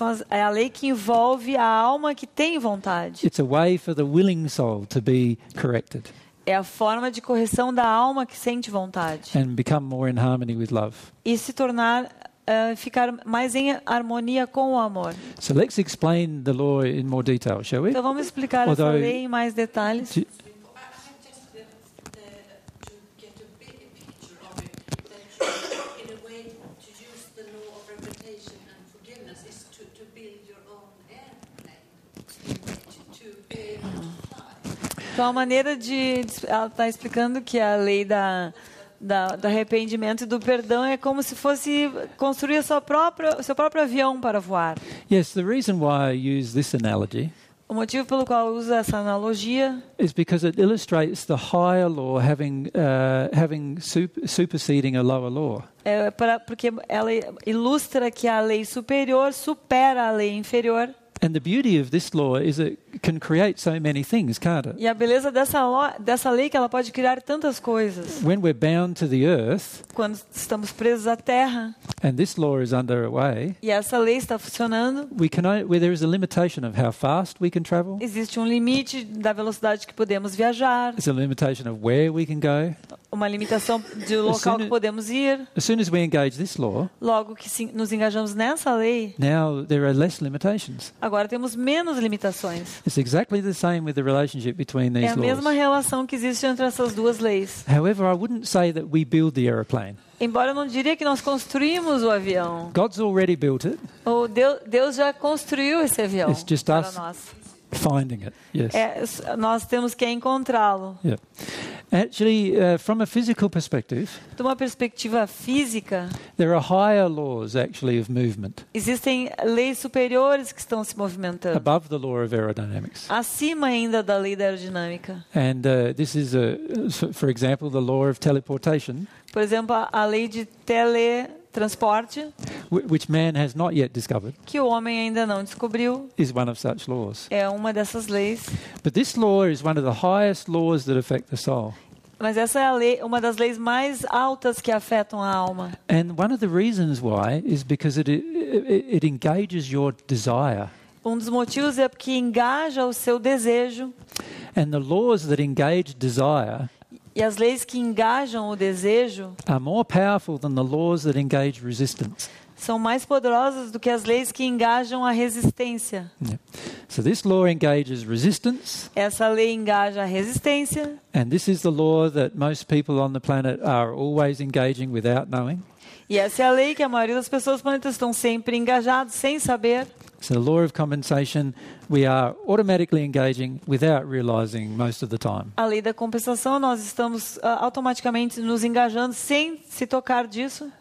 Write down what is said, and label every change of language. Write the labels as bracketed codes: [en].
[pt] É a lei que envolve a alma que tem vontade. [en] It's a way for the willing soul to be corrected. [pt] É a forma de correção da alma que sente vontade. [en] And become more in harmony with love. [pt] E se tornar ficar mais em harmonia com o amor. [en] So let's explain the law in more detail, shall we? [pt] Então vamos explicar essa lei em mais detalhes. Então a maneira de ela está explicando que a lei da do arrependimento e do perdão é como se fosse construir a sua própria, seu próprio avião para voar. [en] Yes, the reason why I use this analogy. [pt] O motivo pelo qual eu uso essa analogia [en] is because it illustrates the higher law having superseding a lower law. [pt] É porque ela ilustra que a lei superior supera a lei inferior. [en] And the beauty of this law is it can create so many things, can't it? [pt] E a beleza dessa lei que ela pode criar tantas coisas. [en] When we're bound to the earth, [pt] quando estamos presos à terra, [en] and this law is underway, [pt] e essa lei está funcionando, [en] there is a limitation of how fast we can travel. [pt] Existe limite da velocidade que podemos viajar. [en] There's a limitation of where we can go. [pt] Uma limitação do local que podemos ir. [en] As soon as we engage this law, [pt] logo que nos engajamos nessa lei, [en] now there are less limitations. [pt] Agora temos menos limitações. [en] It's exactly the same with the relationship between these laws. [pt] É a mesma relação que existe entre essas duas leis. [en] However, I wouldn't say that we build the aeroplane. [pt] Embora eu não diria que nós construímos o avião. [en] God's already built it. [pt] Deus já construiu esse avião. [en] It's just [pt] para [en] us [pt] nós. [en] Finding it. Yes. [pt] Nós temos que encontrá-lo. [en] Yeah. Actually, from a physical perspective, [pt] de uma perspectiva física, [en] there are higher laws actually of movement. [pt] Existem leis superiores que estão se movimentando. [en] Above the law of aerodynamics. [pt] Acima ainda da lei da aerodinâmica. [en] And this is, for example, the law of teleportation. [pt] Por exemplo, a lei de teletransporte, [en] which man has not yet discovered, [pt] que o homem ainda não descobriu, [en] is one of such laws. [pt] É uma dessas leis. [en] But this law is one of the highest laws that affect the soul. [pt] Mas essa é a lei, uma das leis mais altas que afetam a alma. [en] And one of the reasons why is because it engages your desire. [pt] Um dos motivos é porque engaja o seu desejo. [en] And the laws that engage desire. [pt] E as leis que engajam o desejo [en] are more powerful than the laws that engage resistance. [pt] São mais poderosas do que as leis que engajam a resistência. [en] So this law engages resistance. [pt] Essa lei engaja a resistência. [en] And this is the law that most people on the planet are always engaging without knowing. [pt] E essa é a lei que a maioria das pessoas do planeta estão sempre engajados sem saber. [en] So the law of compensation, we are automatically engaging without realizing most of the time. [pt] A lei da compensação, nós estamos automaticamente nos engajando sem se tocar disso.